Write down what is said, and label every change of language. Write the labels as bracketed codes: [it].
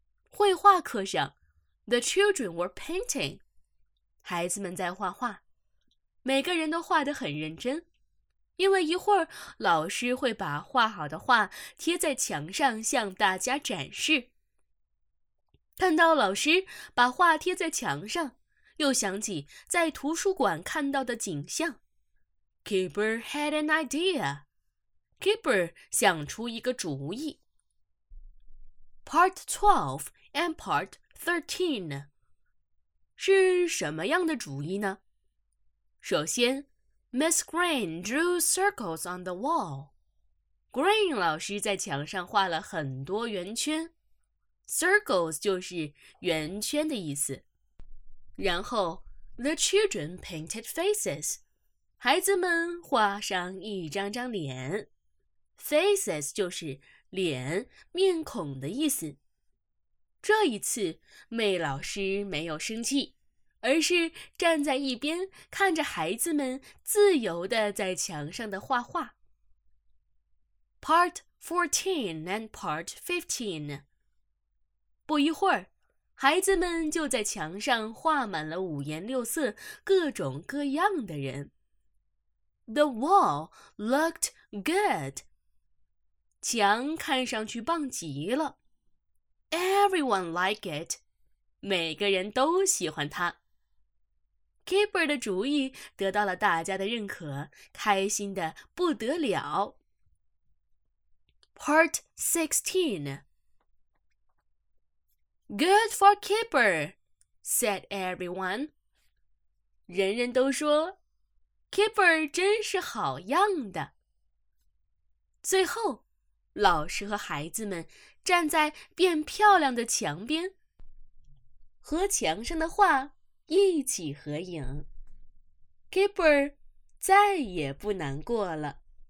[zh] 绘画课上 [en] The children were painting. [zh] 孩子们在画画。每个人都画得很认真。因为一会儿老师会把画好的画贴在墙上向大家展示。看到老师把画贴在墙上，又想起在图书馆看到的景象。 [en] Keeper had an idea. [zh] Keeper 想出一个主意。 [en] Part 12 and Part 13 [zh] 是什么样的主意呢？首先 [en] ,Miss Green drew circles on the wall. [zh] Green 老师在墙上画了很多圆圈。 Circles 就是圆圈的意思。然后 [en] The children painted faces. [zh] 孩子们画上一张张脸。 Faces 就是脸、面孔的意思。这一次，妹老师没有生气，而是站在一边看着孩子们自由地在墙上的画画。 [en] Part 14 and Part 15。 [zh] 不一会儿，孩子们就在墙上画满了五颜六色、各种各样的人。 [en] The wall looked good. [zh] 墙看上去棒极了。 [en] Everyone like it. [zh] 每个人都喜欢它。 Keeper 的主意得到了大家的认可，开心得不得了。 [en] Part 16. Good for Keeper, said everyone. [zh] 人人都说Keeper 真是好样的。最后，老师和孩子们站在变漂亮的墙边，和墙上的画一起合影。Keeper 再也不难过了。